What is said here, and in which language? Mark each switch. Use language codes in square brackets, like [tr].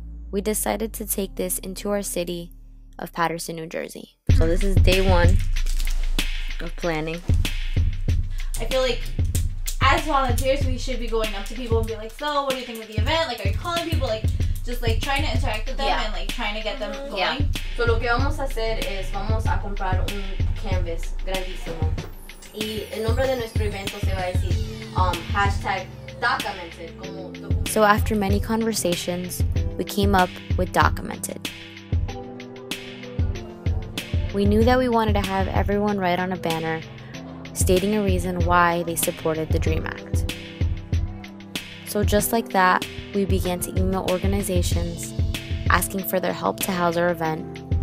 [en] We decided to take this into our city of Paterson, New Jersey. So this is day one of planning. I feel like as volunteers, we should be going up to people and be like, so what do you think of the event? Like, are you calling people? Like, just like trying to interact with them and like trying to get them going. Yeah. [es] So lo que vamos a hacer es vamos a comprar un canvas grandísimo. Y el nombre de nuestro evento se va a decir hashtag Dacamented. [en] So after many conversations, we came up with Dacamented. We knew that we wanted to have everyone write on a banner stating a reason why they supported the DREAM Act. So just like that, we began to email organizations asking for their help to house our event.